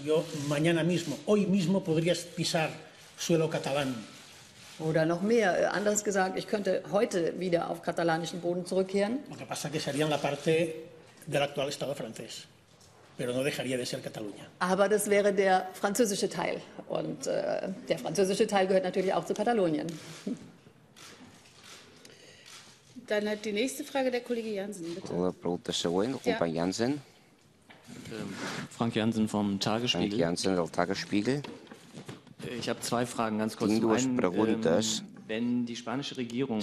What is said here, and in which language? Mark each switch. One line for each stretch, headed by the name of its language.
Spanish: Yo mañana mismo, hoy mismo podrías pisar suelo catalán.
German: Oder noch mehr, anders gesagt, ich könnte heute wieder auf katalanischen Boden zurückkehren.
Spanish: Lo que pasa que sería en la parte del actual Estado francés. Pero no dejaría de ser Cataluña.
German: Aber das wäre der französische Teil. Und der französische Teil gehört natürlich auch zu Katalonien. Dann hat die nächste Frage der Kollege Jansen, bitte.
Catalan: La pregunta següent, el company Jansen.
German: Frank Jansen vom Tagesspiegel.
Catalan: Frank Jansen del Tagesspiegel.
German: Ich habe zwei Fragen, ganz kurz.
Catalan: Tinc dues preguntes.
German: Wenn die spanische Regierung